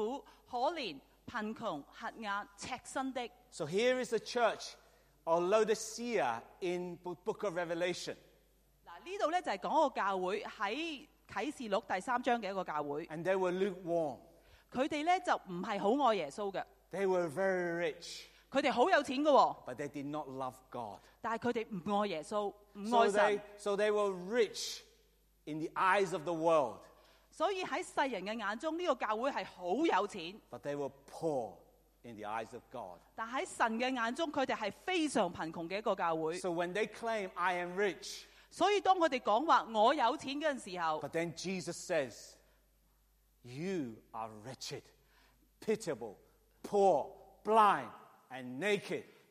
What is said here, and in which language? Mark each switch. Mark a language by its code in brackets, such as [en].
[zh] 你说我是富足的，已经发了财，一样都不缺，却不知道你是困苦、可怜、贫穷、瞎眼、赤身的。 [en] So here is the church of Laodicea in the book of Revelation. [zh] 这里就是讲个教会，在启示录第三章的一个教会。 [en] And they were lukewarm. [zh] 他们就不是很爱耶稣的。 [en] They were very rich. [zh] 他们很有钱的哦, [en] but they did not love God. [zh] 但他们不爱耶稣, [en] so they were rich in the eyes of the world. [zh] 所以在世人的眼中, 这个教会是很有钱, [en] but they were poor in the eyes of God. [zh] 但在神的眼中, [en] so when they claim, I am rich, [zh] 所以当他们说我有钱的时候, [en] but then Jesus says, You are wretched, pitiable, poor, blind, and naked.